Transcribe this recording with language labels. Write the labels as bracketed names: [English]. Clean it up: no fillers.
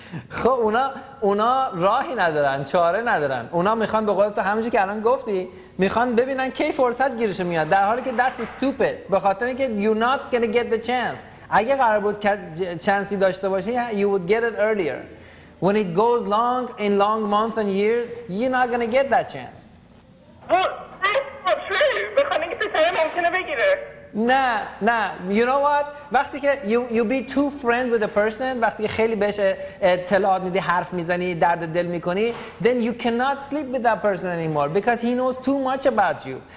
[Persian] خب اونا راهی ندارن، چاره ندارن، اونا میخوان به قول تو همونجوری که الان گفتی میخوان ببینن کی فرصت گیرش میاد، در حالی که [English] that's stupid [Persian] به خاطر اینکه [English] you're not gonna get the chance. [Persian] اگه قرار بود چانسی داشته باشی [English] you would get it earlier. When it goes long in long months and years you're not gonna get that chance. Well that's not true. [Persian] بخوان اینکه پسر ممکنه بگیره. نه نه [English] you know what، [Persian] وقتی که [English] you be too friend with a person، [Persian] وقتی که خیلی بهش اطلاعات میدی حرف میزنی درد دل میکنی [English] then you cannot sleep with that person anymore because he knows too much about you.